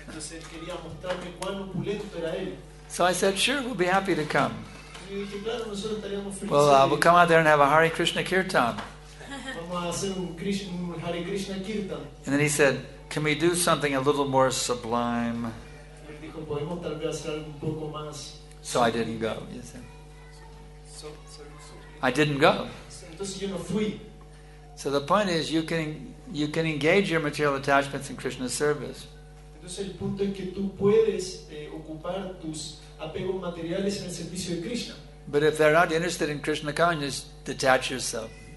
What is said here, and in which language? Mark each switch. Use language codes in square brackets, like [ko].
[es] Entonces quería mostrarme cuán opulento era él. [en] So I said, sure, we'll be happy to come. [es] Y dije, claro, nosotros estaríamos felices. [en] Well, we'll come out there and have a Hare Krishna kirtan. [es] Vamos a hacer un Hare Krishna kirtan. [en] And then he said, can we do something a little more sublime? [es] Y él dijo, podemos tal vez hacer algo un poco más. [en] So I didn't go. You see. So I didn't go. [es] Entonces yo no fui. [en] So the point is, you can engage your material attachments in Krishna's service. [es] Entonces el punto es que tú puedes ocupar tus apegos materiales en el servicio de Krishna. [en] But if they're not interested in Krishna consciousness, detach yourself.